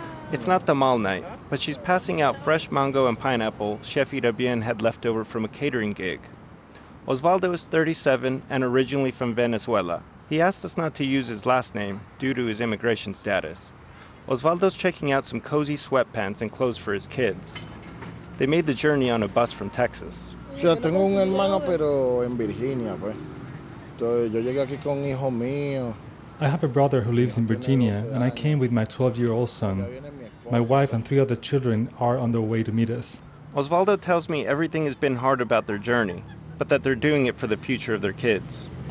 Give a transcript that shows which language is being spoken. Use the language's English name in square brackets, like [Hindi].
[English] It's not tamale night, but she's passing out fresh mango and pineapple Chef Irabien had left over from a catering gig. Osvaldo is 37 and originally from Venezuela. He asked us not to use his last name due to his immigration status. Osvaldo's checking out some cozy sweatpants and clothes for his kids. They made the journey on a bus from Texas. [Spanish] Yo tengo un hermano, pero en Virginia, pues. Entonces yo llegué aquí con hijo mío. [English] I have a brother who lives in Virginia, and I came with my 12-year-old son. My wife and three other children are on their way to meet us. Osvaldo tells me everything has been hard about their journey, but that they're doing it for the future of their kids.